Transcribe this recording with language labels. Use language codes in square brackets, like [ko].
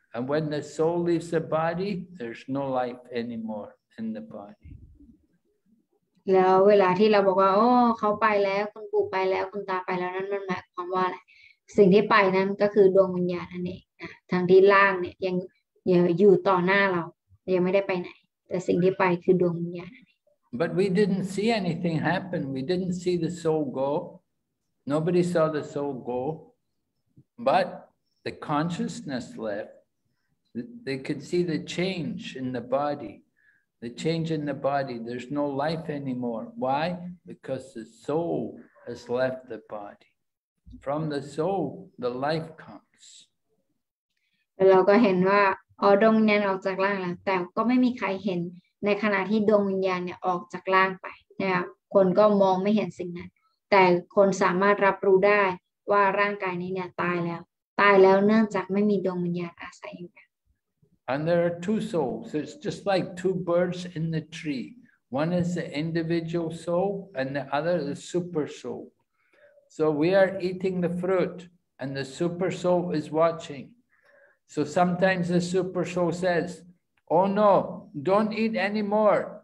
[en] And when the soul leaves the body, there's no life anymore in the body. [th] แล้วเวลาที่เราบอกว่าโอ้เขาไปแล้วคุณปู่ไปแล้วคุณตาไปแล้วนั่นมันหมายความว่าอะไรสิ่งที่ไปนั้นก็คือดวงวิญญาณนั่นเองทางที่ล่างเนี่ยยังอยู่ต่อหน้าเรายังไม่ได้ไปไหนแต่สิ่งที่ไปคือดวงวิญญาณ [en] But we didn't see anything happen. We didn't see the soul go. Nobody saw the soul go. But the consciousness left. They could see the change in the body. The change in the body. There's no life anymore. Why? Because the soul has left the body. From the soul, the life comes. [th] เราก็เห็นว่าดวงวิญญาณออกจากร่างแล้วแต่ก็ไม่มีใครเห็นในขณะที่ดวงวิญญาณเนี่ยออกจากร่างไปนะครับคนก็มองไม่เห็นสิ่งนั้นแต่คนสามารถรับรู้ได้ว่าร่างกายนี้เนี่ยตายแล้วเนื่องจากไม่มีดวงวิญญาณอาศัยอยู่ [en] And there are two souls. It's just like two birds in the tree. One is the individual soul, and the other the super soul. So we are eating the fruit, and the super soul is watching. So sometimes the super soul says, "Oh no, don't eat any more.